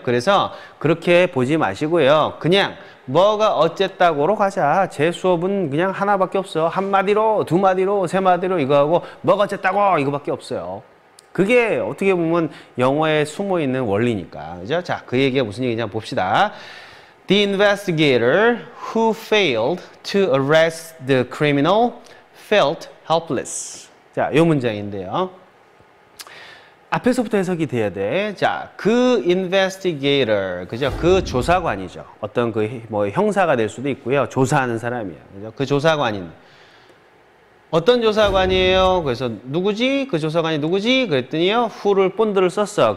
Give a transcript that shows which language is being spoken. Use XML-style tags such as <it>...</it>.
<ko>그래서 그렇게 보지 마시고요. 그냥 뭐가 어쨌다고로 가자. 제 수업은 그냥 하나밖에 없어. 한마디로, 두마디로, 세마디로 이거하고 뭐가 어쨌다고 이거밖에 없어요. 그게 어떻게 보면 영어에 숨어있는 원리니까. 그죠? 자, 그 얘기가 무슨 얘기냐 봅시다.</ko> <en>The investigator who failed to arrest the criminal felt helpless.</en> <ko>자, 요 문장인데요. 앞에서부터 해석이 돼야 돼. 자, 그 investigator, 그죠? 그 조사관이죠. 어떤 그 뭐 형사가 될 수도 있고요. 조사하는 사람이야. 그죠? 그 조사관인. 어떤 조사관이에요? 그래서 누구지? 그 조사관이 누구지? 그랬더니요. who를 본드를 썼어.</ko>